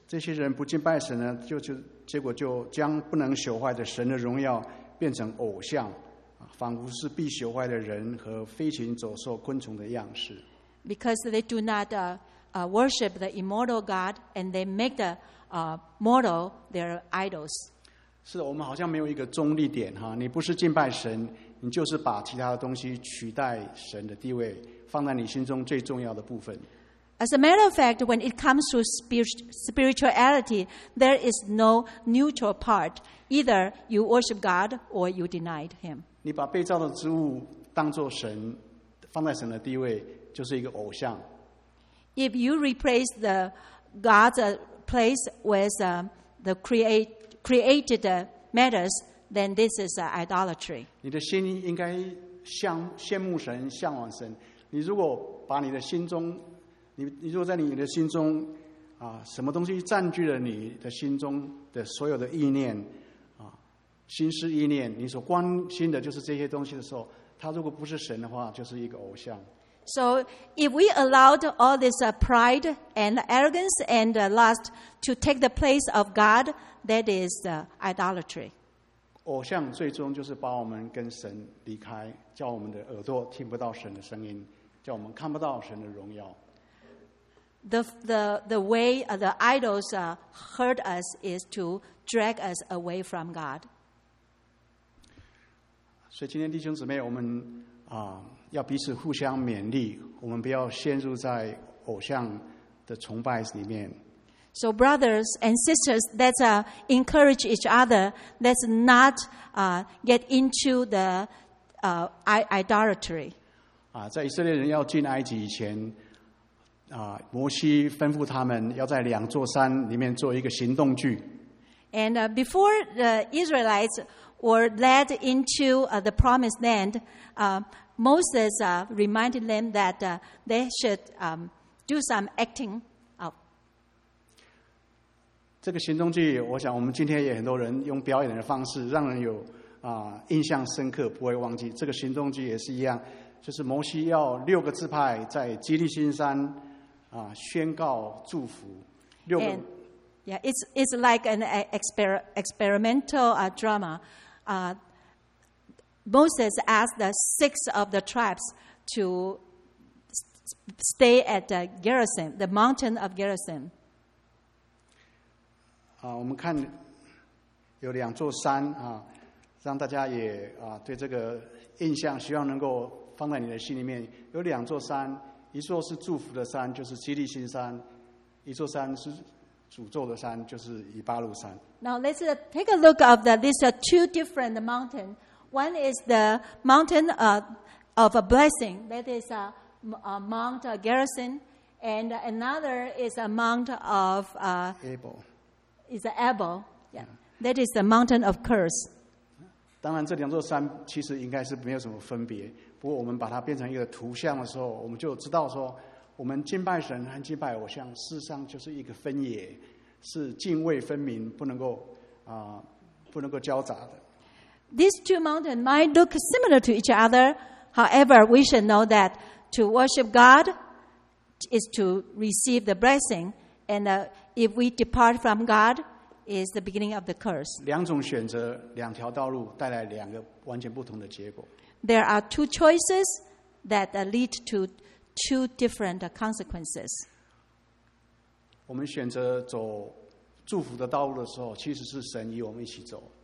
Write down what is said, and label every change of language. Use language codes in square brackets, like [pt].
[zh] 这些人不敬拜神呢，结果就将不能朽坏的神的荣耀变成偶像，仿佛是必朽坏的人和飞禽走兽、昆虫的样式。 [en] Because they do not worship the immortal God, and they make the mortal their idols. [zh] 是我们好像没有一个中立点哈，你不是敬拜神，你就是把其他的东西取代神的地位。放在你心中最重要的部分。 [en] As a matter of fact, when it comes to spirituality, there is no neutral part. Either you worship God or you deny Him. [zh] 你把被造的植物当作神，放在神的地位，就是一个偶像。 [en] If you replace the God's place with the created matters, then this is idolatry. [zh] 你的心应该羡慕神，向往神。你如果把你的心中 你如果在你的心中、啊、什么东西占据了你的心中的所有的意念、啊、心思意念你所关心的就是这些东西的时候他如果不是神的话就是一个偶像 [en] So if we allowed all this pride and arrogance and lust to take the place of God that is idolatry [zh] 偶像最终就是把我们跟神离开叫我们的耳朵听不到神的声音叫我们看不到神的荣耀。 [en] The way the idols hurt us is to drag us away from God. [zh] 所以今天弟兄姊妹，我们要彼此互相勉励，我们不要陷入在偶像的崇拜里面。 [en] So brothers and sisters, let's encourage each other. Let's not get into the idolatry. [zh] 在以色列人要进埃及以前摩西吩咐他们要在两座山里面做一个行动句。 [en] And before the Israelites were led into the promised land, Moses reminded them that they should do some acting out. [zh] 这个行动句我想我们今天也很多人用表演的方式让人有印象深刻不会忘记这个行动句也是一样就是摩西要六个支派在基利心山宣告祝福六个 [en] And, yeah, it's like an experimental drama Moses asked the six of the tribes to stay at Gerizim the mountain of Gerizim [zh] 我们看有两座山让大家也对这个印象希望能够放在你的心里面有两座山一座是祝福的山就是基利心山一座山是诅咒的山就是以巴路山 [en] Now let's take a look at these two different mountains One is the mountain of a blessing that is Mount Gerizim and another is a mount of Abel is Abel yeah. that is the mountain of curse [zh] 当然这两座山其实应该是没有什么分别不过我们把它变成一个图像的时候我们就知道说我们敬拜神和敬拜偶像事实上就是一个分野是泾渭分明不能够交杂的 [en] These two mountains might look similar to each other However, we should know that to worship God is to receive the blessing and if we depart from God is the beginning of the curse [zh] 两种选择两条道路带来两个完全不同的结果 [en] There are two choices that lead to two different consequences. [zh] 我们选择走祝福的道路的时候，其实是神与我们一起走。